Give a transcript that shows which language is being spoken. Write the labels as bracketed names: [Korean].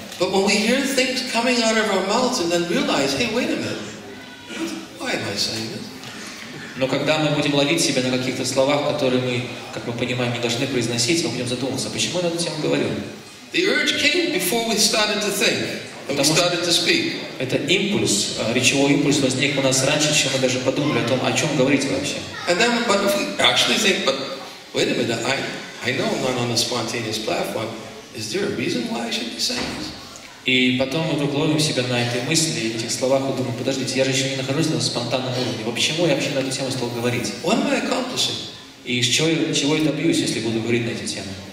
[English] But when we hear things coming out of our mouths and then realize, hey, wait a minute, why am I saying this? [Russian] Но когда мы будем ловить себя на каких-то словах, которые мы, как мы понимаем, не должны произносить, мы будем задумываться, почему я над этим говорю? [English] The urge came before we started to think. And we started to speak. [Russian] Это импульс, речевой импульс возник у нас раньше, чем мы даже подумали о том, о чем говорить вообще. [English] And then, but if we actually think, but wait a minute, I know I'm not on a spontaneous platform. Is there a reason why I should be saying this? [Russian] И потом мы вдруг ловим себя на этой мысли, и этих словах, и думаем, подождите, я же еще не нахожусь на спонтанном уровне. Почему я вообще на эту тему стал говорить? [English] What am I accomplishing? [Russian] И чего я добьюсь, если буду говорить на эти темы?